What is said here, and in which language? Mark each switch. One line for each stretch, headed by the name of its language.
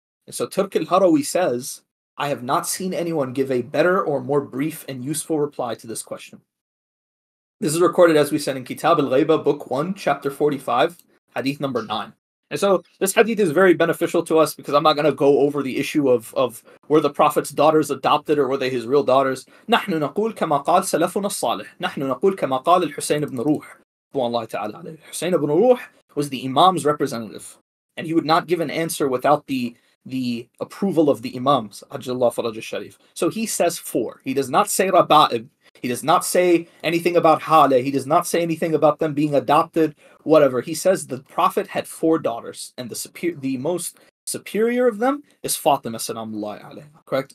English: And so Turk al-Harawi says, I have not seen anyone give a better or more brief and useful reply to this question. This is recorded, as we said, in Kitab al-Ghaiba, Book 1, Chapter 45, Hadith number 9. And so this hadith is very beneficial to us, because I'm not going to go over the issue of were the Prophet's daughters adopted or were they his real daughters.
Arabic: نحن نقول كما قال سلفنا الصالح. نحن نقول كما قال الحسين بن روح.
English: Husayn ibn Ruh was the Imam's representative, and he would not give an answer without the approval of the Imams, ajallah faraj al-sharif. So he says 4. He does not say Raba'ib. He does not say anything about Hale. He does not say anything about them being adopted, whatever. He says the Prophet had 4 daughters, and the most superior of them is Fatima salamullahi alayha. Correct?